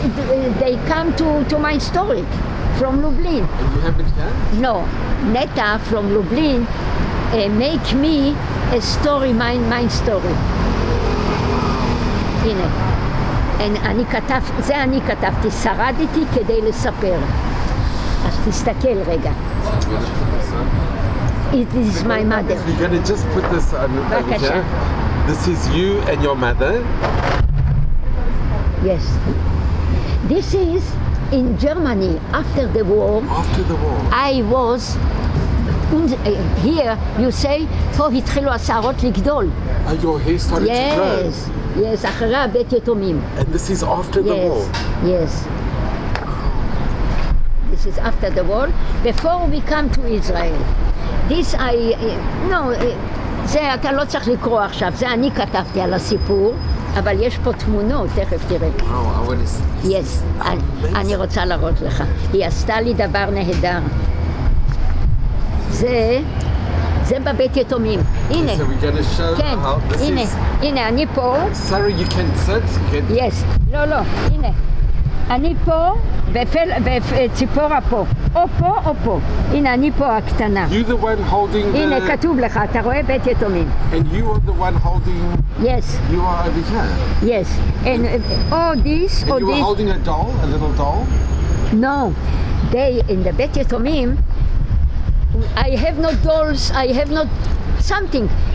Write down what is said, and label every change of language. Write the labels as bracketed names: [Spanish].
[English] They come to my story from Lublin. And you have it here? No. Neta from Lublin make me a story, my story. [Hebrew] Hine. And אני כתב, זה אני כתבתי, שרדתי כדי לספר. אז תסתכל רגע. [English] It is my mother. We're gonna just put this over here. This is you and your mother. Yes. This is in Germany after the war. After the war. I was here, you say, [Hebrew] פה התחילו השערות לגדול. [English] Your hair started to grow. [Hebrew] Yes, אחרי הבית יתומים. [English] And this is after the war. Yes. This is after the war, before we come to Israel. This I... [Hebrew] No, זה אתה לא צריך לקרוא עכשיו, זה אני כתבתי על הסיפור, אבל יש פה תמונות, תכף תראה. [English] Wow, I want to see. [Hebrew] Yes, אני רוצה להראות לך. היא עשתה לי דבר נהדר. זה בבית יתומים. הנה. כן, הנה, אני פה. [English] Sara, you can sit. [Hebrew] Yes, לא, הנה. אני פה, וציפורה פה. או פה. הנה, אני פה הקטנה. [English] You're the one holding the... [Hebrew] הנה, כתוב לך, אתה רואה בית יתומים. [English] And you are the one holding... Yes. You are over here. Yes. And you are holding a doll, a little doll? No. They, in the בית יתומים, I have no dolls, I have no something.